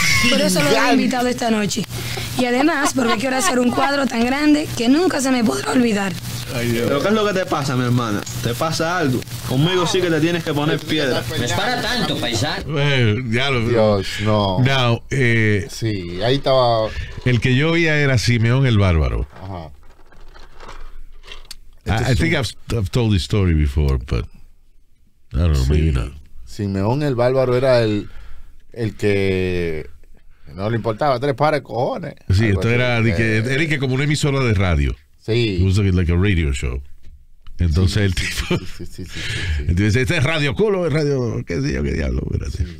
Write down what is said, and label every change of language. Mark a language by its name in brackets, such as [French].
[Spanish] Por eso los he invitado esta noche. Y además, porque quiero hacer un cuadro tan grande que nunca se me podrá olvidar. ¿Pero qué es lo que te pasa, mi hermana? ¿Te pasa algo? Conmigo sí que te tienes que poner piedra. Me espera tanto, paisano. Diablo. Dios, no. [English] Now, [Spanish] sí, ahí estaba. El que yo oía era Simeón el Bárbaro. Ajá. [English] I think I've told this story before, but I don't know, sí. Maybe not. [Spanish] Simeón el Bárbaro era el que no le importaba tres pares de cojones. Sí, esto era que como una emisora de radio. Sí. [English] It was like a radio show. [Spanish] Entonces sí, el tipo. Entonces, este es Radio Culo, es Radio. ¿Qué sé yo, qué diablo? Sí,